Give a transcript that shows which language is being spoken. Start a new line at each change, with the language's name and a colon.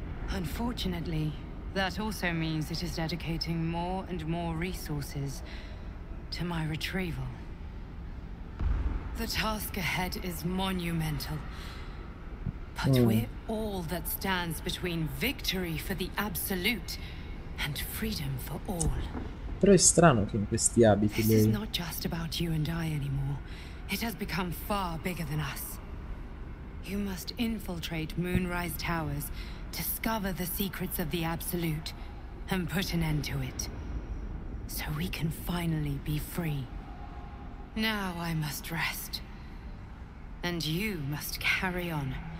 English: Unfortunately, that also means it is dedicating more and more resources to my retrieval. The task ahead is monumental. But we're all that stands between victory for the absolute and freedom for all.
Italian: Però è strano che in questi abiti lei...
English: This is not just about you and I anymore. It has become far bigger than us. You must infiltrate Moonrise Towers, discover the secrets of the absolute, and put an end to it. So we can finally be free. Now I must rest. And you must carry on.